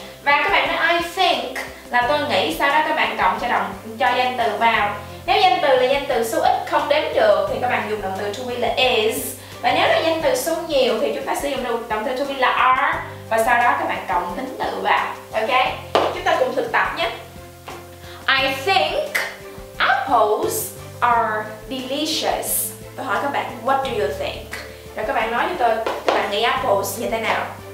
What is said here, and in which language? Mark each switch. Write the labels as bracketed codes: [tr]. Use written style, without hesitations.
[vi] Và các bạn nói I think là tôi nghĩ, sau đó các bạn cộng cho danh từ vào. Nếu danh từ là danh từ số ít không đếm được thì các bạn dùng động từ to be là is. Và nếu là danh từ số nhiều thì chúng ta sử dụng động từ to be là are. Và sau đó các bạn cộng tính từ vào. Ok, chúng ta cùng thực tập nhé. [en] I think apples are delicious. [vi] Tôi hỏi các bạn, [en] what do you think? [vi] Rồi các bạn nói cho tôi, các bạn nghĩ apples như thế nào?